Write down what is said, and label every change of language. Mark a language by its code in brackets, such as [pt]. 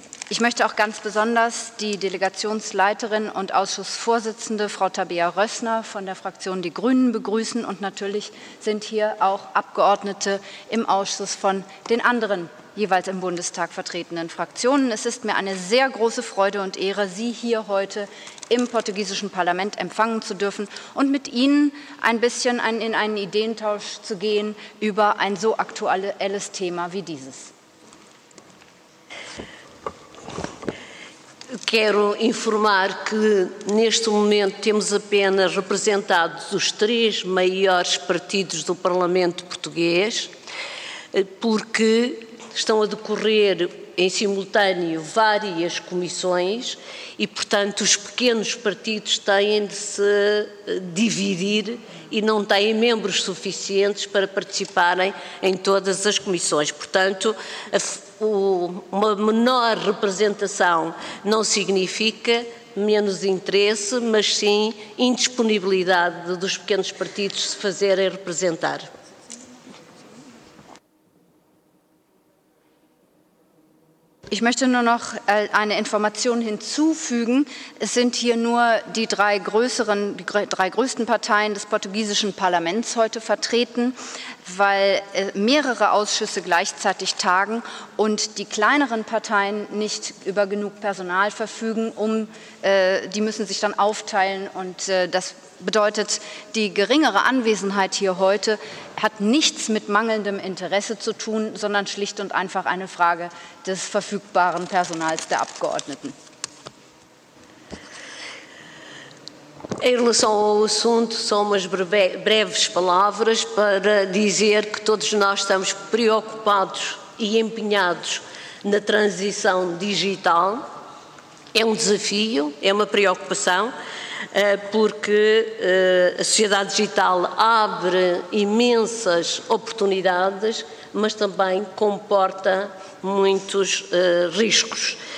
[de] Ich möchte auch ganz besonders die Delegationsleiterin und Ausschussvorsitzende Frau Tabea Rössner von der Fraktion Die Grünen begrüßen und natürlich sind hier auch Abgeordnete im Ausschuss von den anderen jeweils im Bundestag vertretenen Fraktionen. Es ist mir eine sehr große Freude und Ehre, Sie hier heute im portugiesischen Parlament empfangen zu dürfen und mit Ihnen ein bisschen in einen Ideentausch zu gehen über ein so aktuelles Thema wie dieses. [pt] Quero informar que neste momento temos apenas representados os três maiores partidos do Parlamento Português, porque estão a decorrer em simultâneo várias comissões e, portanto, os pequenos partidos têm de se dividir e não têm membros suficientes para participarem em todas as comissões. Portanto, uma menor representação não significa menos interesse, mas sim indisponibilidade dos pequenos partidos se fazerem representar. [de] Ich möchte nur noch eine Information hinzufügen. Es sind hier nur die drei größten Parteien des portugiesischen Parlaments heute vertreten, weil mehrere Ausschüsse gleichzeitig tagen und die kleineren Parteien nicht über genug Personal verfügen, die müssen sich dann aufteilen und das bedeutet, die geringere Anwesenheit hier heute hat nichts mit mangelndem Interesse zu tun, sondern schlicht und einfach eine Frage des verfügbaren Personals der Abgeordneten. [pt] Em relação ao assunto, só umas breves palavras para dizer que todos nós estamos preocupados e empenhados na transição digital. É um desafio, é uma preocupação, porque a sociedade digital abre imensas oportunidades, mas também comporta muitos riscos.